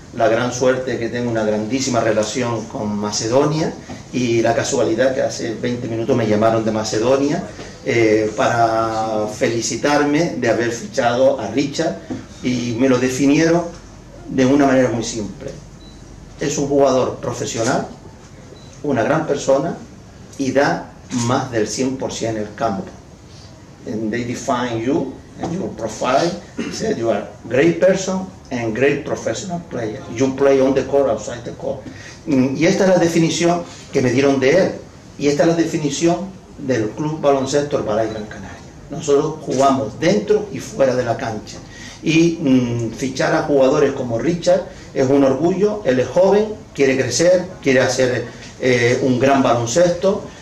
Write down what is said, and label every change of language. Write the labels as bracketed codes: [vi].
[es] La gran suerte que tengo una grandísima relación con Macedonia y la casualidad que hace 20 minutos me llamaron de Macedonia para felicitarme de haber fichado a Richard y me lo definieron de una manera muy simple. Es un jugador profesional, una gran persona y da más del 100% en el campo. [en] And they define you and your profile, said you are a great person and great professional player. You play on the court, outside the court. [es] Y esta es la definición que me dieron de él. Y esta es la definición del Club Baloncesto del Balay Gran Canaria. Nosotros jugamos dentro y fuera de la cancha. Y fichar a jugadores como Richard es un orgullo. Él es joven, quiere crecer, quiere hacer un gran baloncesto.